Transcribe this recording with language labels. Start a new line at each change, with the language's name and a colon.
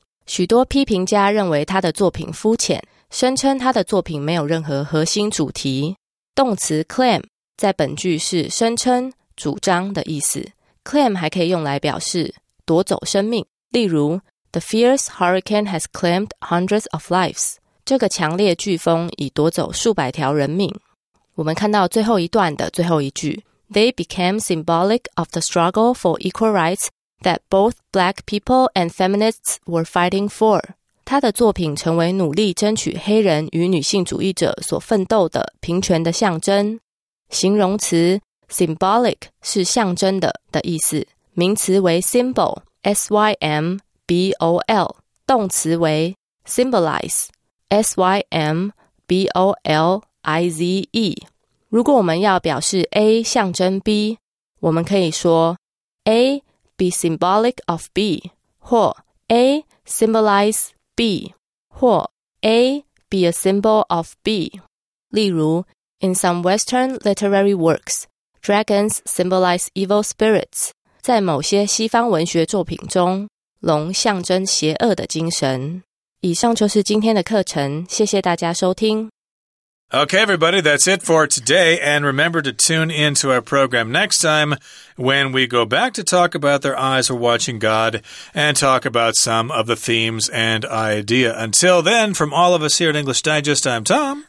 Chinese: 许多批评家认为她的作品肤浅，声称她的作品没有任何核心主题。动词 claim 在本句是声称、主张的意思。
English: claim
Chinese: 还可以用来表示夺走生命，例如
English: ,The fierce hurricane has claimed hundreds of lives.
Chinese: 这个强烈飓风已夺走数百条人命。我们看到最后一段的最后一句
English: They became symbolic of the struggle for equal rights that both black people and feminists were fighting for.
Chinese: 他的作品成为努力争取黑人与女性主义者所奋斗的平权的象征。形容词 symbolic 是象征的意思，名词为 symbol, S-Y-M-B-O-L, 动词为 symbolize, S-Y-M-B-O-L-I-Z-E。如果我们要表示 A 象征 B, 我们可以说 A be symbolic of B, 或 A symbolize B, 或 A be a symbol of B. 例如
English: ,In some Western literary works, dragons symbolize evil spirits.
Chinese: 在某些西方文学作品中，龙象征邪恶的精神。以上就是今天的课程，谢谢大家收听。
English: Okay, everybody, that's it for today. And remember to tune in to our program next time when we go back to talk about Their Eyes Were Watching God and talk about some of the themes and idea. Until then, from all of us here at English Digest, I'm Tom.